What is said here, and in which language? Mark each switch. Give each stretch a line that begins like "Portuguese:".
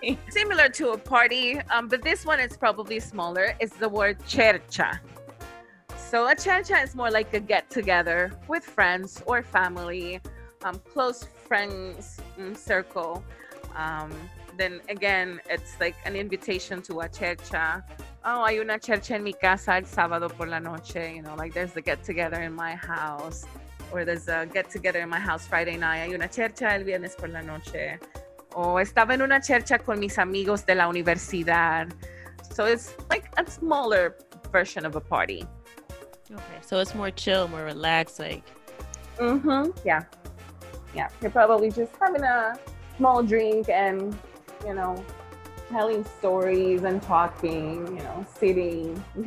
English: Similar to a party, but this one is probably smaller. It's the word chercha. So a chercha is more like a get-together with friends or family, close friends circle. Then again, it's like an invitation to a chercha.
Spanish: Oh, hay una chercha en mi casa el sábado por la noche.
English: You know, like there's a get-together in my house, or there's a get-together in my house Friday night.
Spanish: Hay una chercha el viernes por la noche. O estaba en una chercha con mis amigos de la universidad.
English: So it's like a smaller version of a party. Okay, so it's more chill, more relaxed, like. Mm-hmm, yeah. Yeah, you're probably just having a small drink and, you know, telling stories and talking, you know, sitting.